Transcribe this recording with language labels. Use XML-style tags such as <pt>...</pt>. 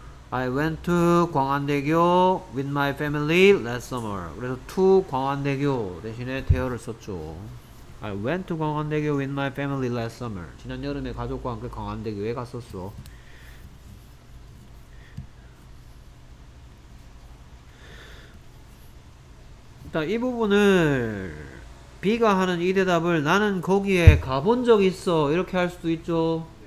<en>I went to 광안대교 with my family last summer.</en> <ko>그래서 to 광안대교 대신에 대어를 썼죠.</ko> <en>I went to 광안대교 with my family last summer.</en> <ko>지난 여름에 가족과 함께 광안대교에 갔었어. 일단 이 부분을 B가 하는 이 대답을 나는 거기에 가본 적 있어 이렇게 할 수도 있죠.</ko>